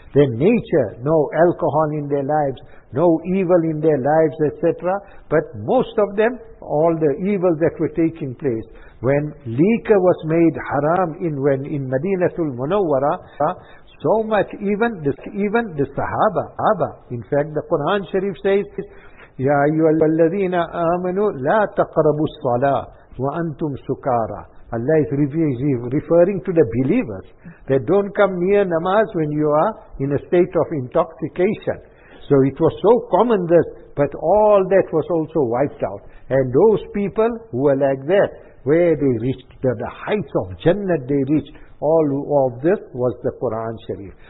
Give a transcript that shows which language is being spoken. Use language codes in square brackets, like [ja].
[en] Their nature, no alcohol in their lives, no evil in their lives, etc. But most of them, all the evil that were taking place. When liquor was made haram in Madinatul Munawwara, so much even the Sahaba. In fact, the Quran Sharif says, [ar] يَا أَيُّهَا الَّذِينَ آمَنُوا لَا تَقْرَبُوا الصَّلَاةِ وَأَنْتُمْ سُكَارَى. [en] Allah is referring to the believers, that don't come near namaz when you are in a state of intoxication. So it was so common this, but all that was also wiped out. And those people who were like that, where they reached the heights of Jannah, they reached all of this was the Quran Sharif.